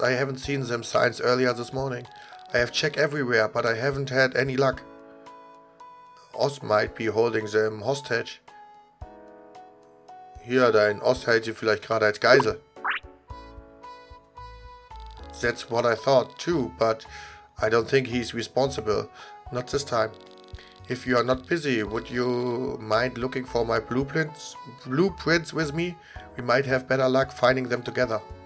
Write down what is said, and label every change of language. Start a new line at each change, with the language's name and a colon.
English: I haven't seen them since earlier this morning. I have checked everywhere, but I haven't had any luck. Oz might be holding them hostage.
German: Hier, dein Oz hält sie vielleicht gerade als Geisel.
English: That's what I thought too, but I don't think he's responsible. Not this time. If you are not busy, would you mind looking for my blueprints with me? We might have better luck finding them together.